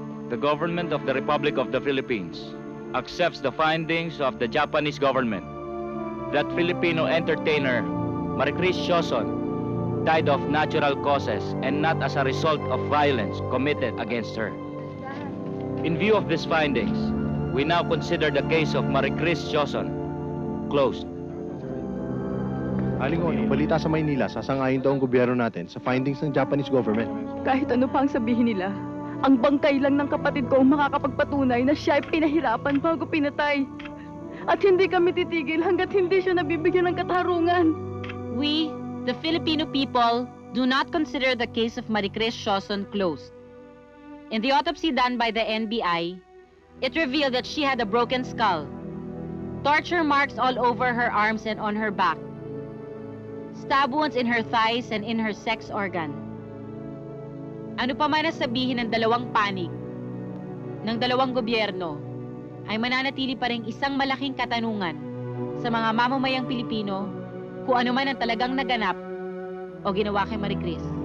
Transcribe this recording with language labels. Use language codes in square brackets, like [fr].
[en] The government of the Republic of the Philippines accepts the findings of the Japanese government that Filipino entertainer MARICRIS SIOSON died of natural causes and not as a result of violence committed against her. In view of these findings, we now consider the case of MARICRIS SIOSON closed. [tl] Aling Onnie, balita sa Maynila, sasangayin daw ang gobyerno natin sa findings ng Japanese government. Kahit ano pang sabihin nila, ang bangkay lang ng kapatid ko ang makakapagpatunay na siya ay pinahirapan bago pinatay. At hindi kami titigil hanggat hindi siya nabibigyan ng katarungan. [en] We, the Filipino people, do not consider the case of MARICRIS SIOSON closed. In the autopsy done by the NBI, it revealed that she had a broken skull, torture marks all over her arms and on her back, stab wounds in her thighs and in her sex organ. [tl] Ano pa man ang sabihin ng dalawang panig, ng dalawang gobyerno, ay mananatili pa rin isang malaking katanungan sa mga mamamayang Pilipino kung ano man ang talagang naganap o ginawa kay MARICRIS.